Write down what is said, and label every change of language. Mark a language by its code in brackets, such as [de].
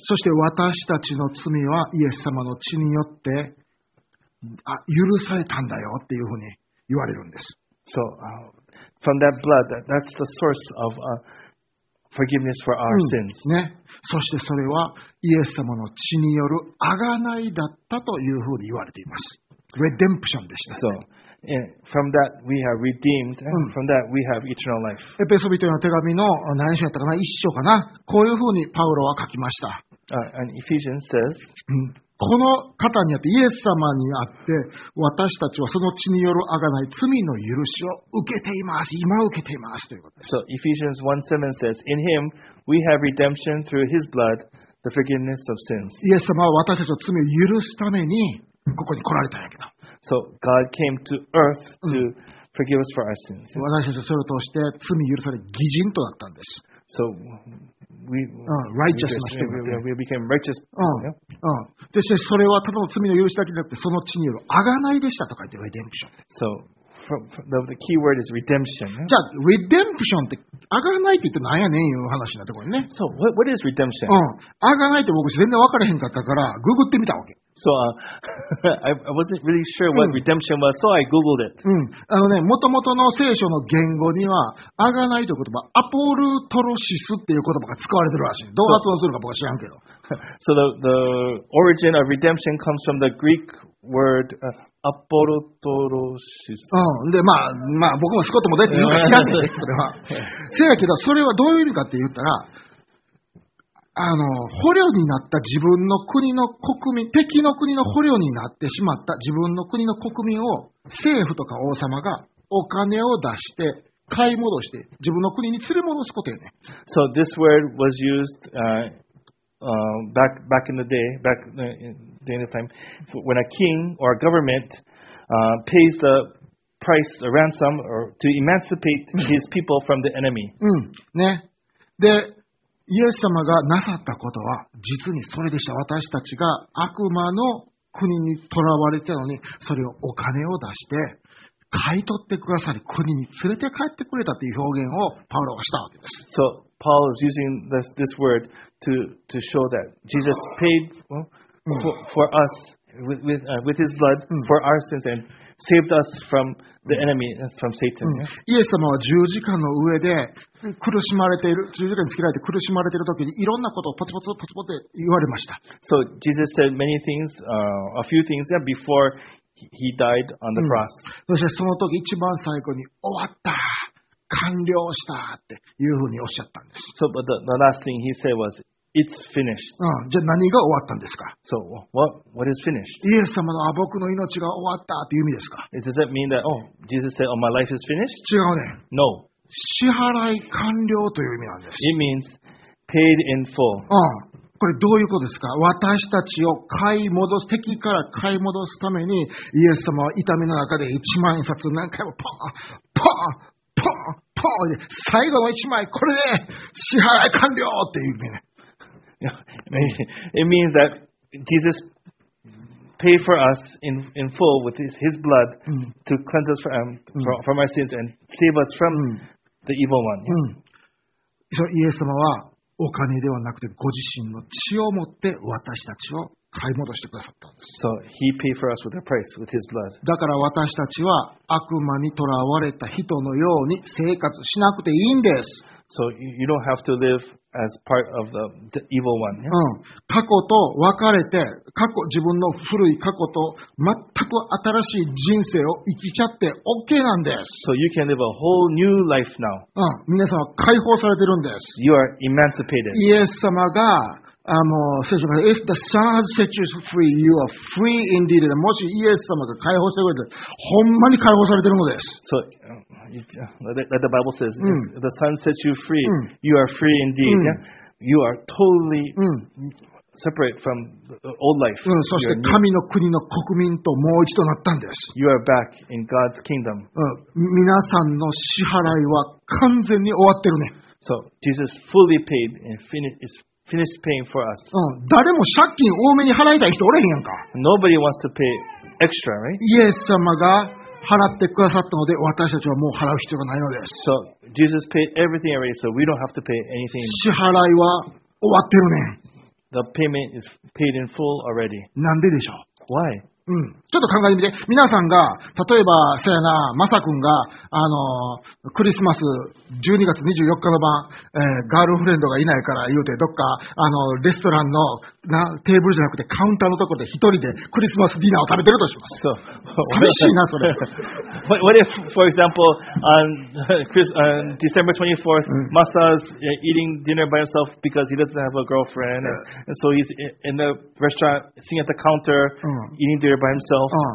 [ja] そして私たちの罪はイエス様の血によって許されたんだよっていうふうに言われるんです。 [en] So, from that blood, that's the source of forgiveness for our sins. [ja] ね。そしてそれはイエス様の血による贖いだったというふうに言われています。 Redemption でした、ね。 [en] So,from that we have redeemed, and from that we have eternal life. [ja] エペソ人への手紙の何章やったかな、一章かな、こういうふうにパウロは書きました。 [en] And Ephesians says, [ja] この方にあって、イエス様にあって、私たちはその血による贖い、罪の許しを受けています。今受けていますということです。 [en] So Ephesians 1:7 says, In him we have redemption through his blood, the forgiveness of sins. [ja] イエス様は私たちの罪を許すためにここに来られたんやけど。 [en] So God came to earth to forgive us for our sins. [ja] 私たちはそれを通して罪許され義人となったんです。 [en] So we righteous we became righteous. [ja] そしてそれはただの罪の許しだけじゃなくて、その血による贖いでしたとか言って、redemption. [en] So the key word is redemption. [ja] じゃあ redemption って贖いって言ってなんやねんいう話になってこれね。 [en] So what is redemption? [ja] 贖いって僕全然分からへんかったからググってみたわけ。 [en] So I wasn't really sure what redemption was, so I googled it. [ja] あのね、元々の聖書の言語には贖いという言葉、アポルトロシスっていう言葉が使われてるらしい。どう発音するか僕は知らんけど。 [en] So the origin of redemption comes from the Greek word アポルトロシス。 [ja] で、まあ僕もスコットも出てるから知らんけど、それは。せやけど、それはどういう意味かって言ったら、あの捕虜になった自分の国の国民、敵の国の捕虜になってしまった自分の国の国民を政府とか王様がお金を出して買い戻して自分の国に連れ戻すことよね。 [en] So this word was used back in the day, back in the time, when a king or a government pays the price, a ransom, or to emancipate his people from the enemy. [ja] ね。で、イエス様がなさったことは実にそれでした。私たちが悪魔の国に囚われてたのに、それをお金を出して買い取ってくださり、国に連れて帰ってくれたという表現をパウロはしたわけです。 [en] So Paul is using this word to show that Jesus paid for us with his blood for our sins and saved us from the enemy, from Satan. [ja] イエス様は十字架の上で苦しまれている、十字架につけられて苦しまれているときにいろんなことをポツポツポツポツって言われました。 [en] So Jesus said many things, a few things, yeah, before he died on the cross. [ja] そしてその時一番最後に終わった、完了したっていうふうにおっしゃったんです。 [en] So but the last thing he said was,It's finished. [ja] じゃあ何が終わったんですか。 [en] So, what is finished? [ja] イエス様の僕の命が終わったという意味ですか。 [en] Does that mean that, oh, Jesus said, oh, my life is finished? [ja] 違うね。 [en] No. [ja] 支払い完了という意味なんです。 [en] It means paid in full. [ja] これどういうことですか。私たちを買い戻す、敵から買い戻すためにイエス様は痛みの中で一万円札何回もポーン、ポーン、ポーン、ポーン、最後の一枚、これで支払い完了っていう意味ね。 [en] It means that Jesus paid for us in full with his blood to cleanse us from our sins and save us from the evil one. [ja] So, イエス様はお金ではなくてご自身の血を持って私たちを買い戻してくださったんです。 [en] So, he paid for us with a price with his blood. [ja] だから私たちは悪魔に囚われた人のように生活しなくていいんです。 [en] So you don't have to live as part of the evil one. Yeah? うん。 [ja] 過去と別れて、過去、自分の古い過去と全く新しい人生を生きちゃって OK なんです。 [en] So you can live a whole new life now. うん。 [ja] 皆さんは解放されてるんです。 [en] You are emancipated. [ja] イエス様が、聖書から、 [en] If the Son has set you free, you are free indeed. [ja] もしイエス様が解放してくれて、ほんまに解放されてるのです。 [en] So,Like the Bible says,、if the Son sets you free,、you are free indeed.、You are totally、separate from the old life.、 [ja] そして神の国の国民ともう一度なったんです。 [en] You are back in God's kingdom.、 [ja] 皆さんの支払いは完全に終わってるね。 [en] So Jesus fully paid and finished paying for us.、 [ja] 誰も借金多めに払いたい人おれへんやんか。 [en] Nobody wants to pay extra, right? [ja] イエス様が払ってくださったので私たちはもう払う必要がないのです。 [en] So, Jesus paid everything already, so we don't have to pay anything. [ja] 支払いは終わってるね。 [en] The payment is paid in full already. [ja] なんででしょう。 [en] Why?、 [ja] ちょっと考えてみて。皆さんが例えばさやな、マサ君がクリスマス12月24日の晩、ガールフレンドがいないから言うてどっかレストランのなテーブルじゃなくてカウンターのところで一人でクリスマスディナーを食べてるとします。 [en] So, [ja] 寂しいなそれ。 [en] What if, for example, on December 24th, Masa's eating dinner by himself because he doesn't have a girlfriend, and so he's in the restaurant, sitting at the counter, eating dinner by himself.